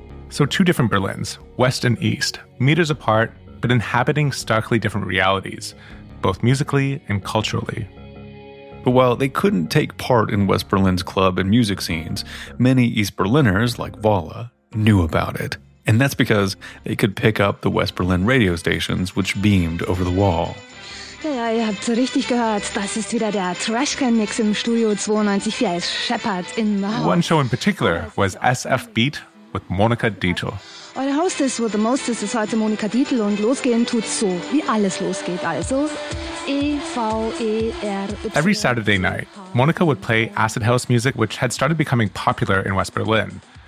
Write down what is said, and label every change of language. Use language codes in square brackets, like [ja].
[en] So two different Berlins, West and East, meters apart, but inhabiting starkly different realities, both musically and culturally. But while they couldn't take part in West Berlin's club and music scenes, many East Berliners, like Vola, knew about it. And that's because they could pick up the West Berlin radio stations, which beamed over the wall. [de] Ja, ihr habt so richtig gehört. Das ist wieder der Trashcan-Mix im Studio 92.4. [en] Shepard in the house. One show in particular was SF Beat with Monika Dietl. [de] Eure [en] Hostess with the mostest [de] ist heute Monika Dietl. Und losgehen tut so, wie alles losgeht. Also E-V-E-R-Y. [en] Every Saturday night, Monika would play acid house music, which had started becoming popular in West Berlin.